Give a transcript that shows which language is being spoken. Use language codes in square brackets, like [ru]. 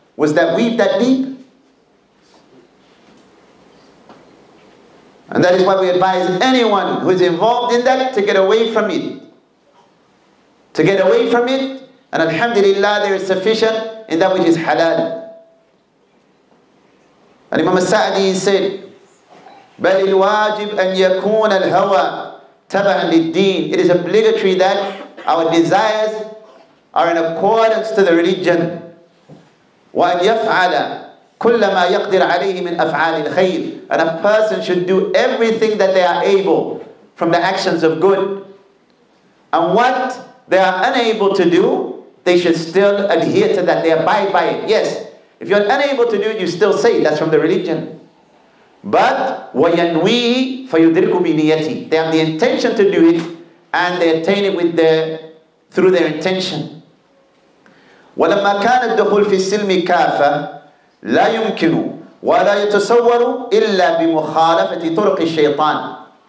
[en] Was that weave that deep? And that is why we advise anyone who is involved in that to get away from it. To get away from it, and alhamdulillah, there is sufficient in that which is halal. [ar] And Imam al-Sa'di said, بَلْ الْوَاجِبْ أَنْ يَكُونَ الْهَوَى تَبَعًا لِلْدِينِ. [en] It is obligatory that our desires are in accordance to the religion. [ar] وَأَنْ يَفْعَلَ كُلَّ مَا يَقْدِرْ عَلَيْهِ مِنْ أَفْعَالِ الْخَيْرِ. [en] And a person should do everything that they are able from the actions of good. And what they are unable to do, they should still adhere to that, they abide by it. Yes, if you're unable to do it, you still say, that's from the religion. But, [ar] وَيَنْوِي فَيُدْرِكُ بِنِيَتِي. [en] They have the intention to do it, and they attain it with their through their intention. [ar] وَلَمَّا كَانَ الدُّخُلُ فِي السِّلْمِ كَافَ لَا يُمْكِنُ وَلَا يَتَصَوَّرُ إِلَّا بِمُخَالَفَةِ طُرُقِ الشَّيْطَانِ.